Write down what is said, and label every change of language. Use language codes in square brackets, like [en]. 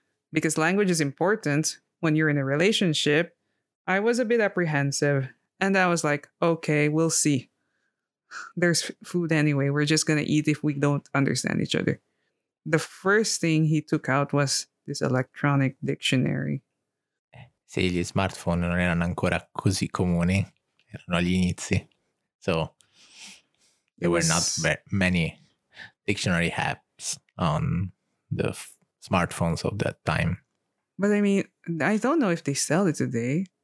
[en] Because language is important when you're in a relationship. I was a bit apprehensive, and I was like, okay, we'll see. There's food anyway. We're just going to eat if we don't understand each other. The first thing he took out was this electronic dictionary. [it] Sì, gli smartphone non erano ancora così comuni. Erano agli inizi. [en] So, there were not many dictionary apps on the smartphones of that time. But I mean, I don't know if they sell it today.